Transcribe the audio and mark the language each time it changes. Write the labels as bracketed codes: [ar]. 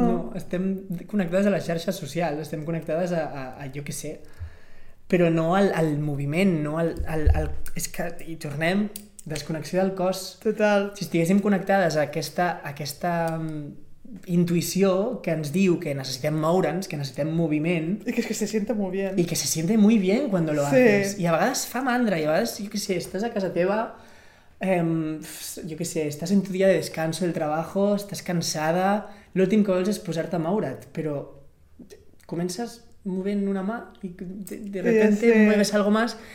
[ca] No, estem connectades a les xarxes socials, estem connectades a jo què sé, però no al moviment, no al... És que hi tornem... Desconnexió del cos. Total. Si estiguéssim connectades a aquesta intuïció que ens diu que necessitem moure'ns, que necessitem moviment... I que és que [es] se siente muy bien. I que se siente muy bien cuando lo haces. [ca] Sí. I a vegades fa mandra, i a vegades, jo què sé, estàs a casa teva, jo què sé, estàs [es] en tu dia de descanso del trabajo, [ca] estàs cansada, l'últim que vols és posar-te a moure't, però comences movent una mà i [es] de repente mueves algo más...